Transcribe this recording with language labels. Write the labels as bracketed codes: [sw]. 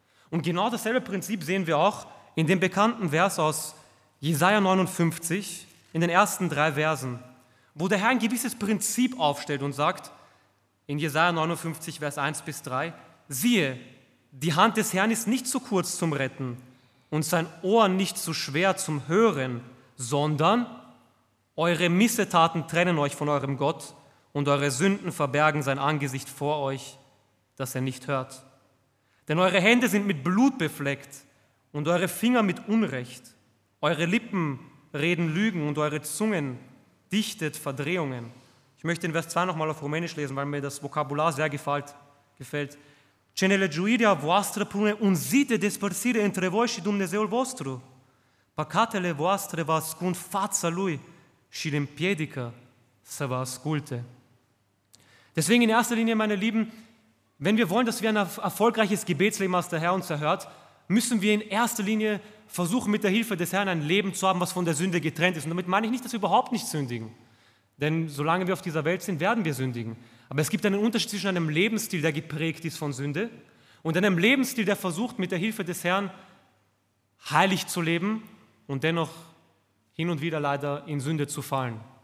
[de] Und genau dasselbe Prinzip sehen wir auch in dem bekannten Vers aus Jesaja 59, in den ersten drei Versen, wo der Herr ein gewisses Prinzip aufstellt und sagt, in Jesaja 59, Vers 1 bis 3, siehe, die Hand des Herrn ist nicht zu kurz zum Retten und sein Ohr nicht zu schwer zum Hören, sondern eure Missetaten trennen euch von eurem Gott und eure Sünden verbergen sein Angesicht vor euch, dass er nicht hört. Denn eure Hände sind mit Blut befleckt, und eure Finger mit Unrecht, eure Lippen reden Lügen und eure Zungen dichtet Verdrehungen. Ich möchte den Vers 2 nochmal auf Rumänisch lesen, weil mir das Vokabular sehr gefällt. [ro] Ce ne legiuirea voastră pune un zid de despărțire între voi și Dumnezeul vostru. Păcatele voastre vă ascund fața lui și le împiedică să vă asculte. [de] Deswegen in erster Linie, meine Lieben, wenn wir wollen, dass wir ein erfolgreiches Gebetsleben, was der Herr uns erhört, müssen wir in erster Linie versuchen, mit der Hilfe des Herrn ein Leben zu haben, was von der Sünde getrennt ist. Und damit meine ich nicht, dass wir überhaupt nicht sündigen. Denn solange wir auf dieser Welt sind, werden wir sündigen. Aber es gibt einen Unterschied zwischen einem Lebensstil, der geprägt ist von Sünde, und einem Lebensstil, der versucht, mit der Hilfe des Herrn heilig zu leben und dennoch hin und wieder leider in Sünde zu fallen.